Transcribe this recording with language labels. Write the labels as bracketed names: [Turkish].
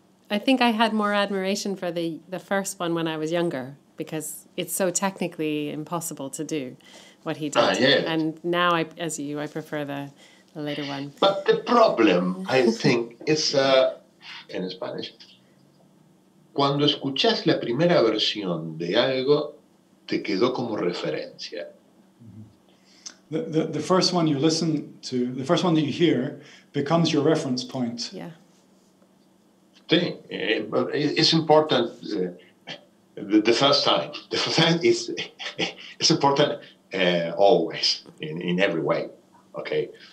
[English] I think I had more admiration for the first one when I was younger because it's so technically impossible to do what he did. And now, I prefer the later one. But the problem, I think, is in Spanish. [Spanish] Cuando escuchas la primera versión de algo, te quedó como referencia. [English] The first one you listen to, the first one that you hear, becomes your reference point. Yeah. Sí, it's important the first time. The first time it's important always, in every way, okay?